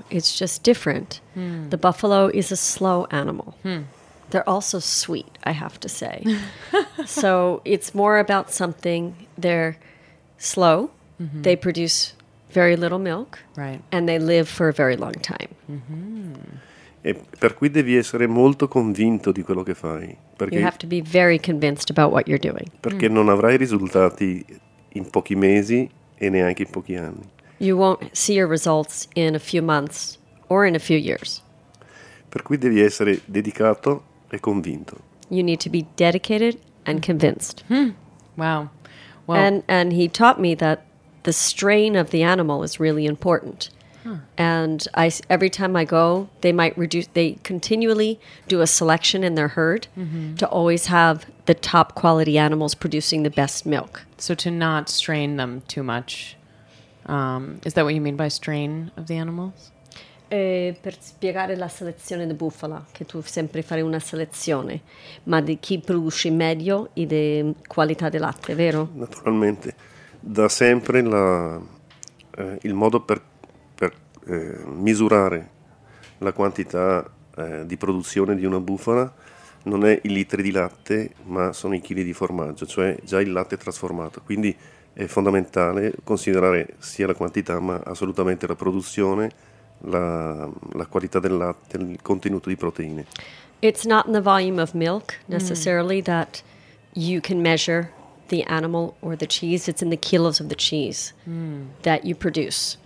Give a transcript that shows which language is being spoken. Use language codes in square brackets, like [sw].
[en] It's just different. Mm. The buffalo is a slow animal. Mm. They're also sweet, I have to say. So it's more about something. They're slow. Mm-hmm. They produce very little milk. Right. And they live for a very long time. Mm-hmm. [it] E per cui devi essere molto convinto di quello che fai. Perché [en] you have to be very convinced about what you're doing. [it] Perché non avrai risultati in pochi mesi e neanche in pochi anni. [en] You won't see your results in a few months or in a few years. [it] Per cui devi essere dedicato e convinto. [en] You need to be dedicated and convinced. Hmm. Wow. Well, and he taught me that the strain of the animal is really important. Huh. And I, every time I go, they might reduce. They continually do a selection in their herd, mm-hmm, to always have the top quality animals producing the best milk. So to not strain them too much. Is that what you mean by strain of the animals? [it] Per spiegare la selezione di bufala, che tu sempre fai una selezione, ma di chi produce meglio e di qualità del latte, vero? Naturalmente. Da sempre il modo per misurare la quantità di produzione di una bufala non è i litri di latte, ma sono i chili di formaggio, cioè già il latte trasformato. Quindi è fondamentale considerare sia la quantità, ma assolutamente la produzione, la qualità del latte, il contenuto di proteine. [en] It's not in the volume of milk necessarily, mm, that you can measure the animal or the cheese. It's in the kilos of the cheese, mm, that you produce.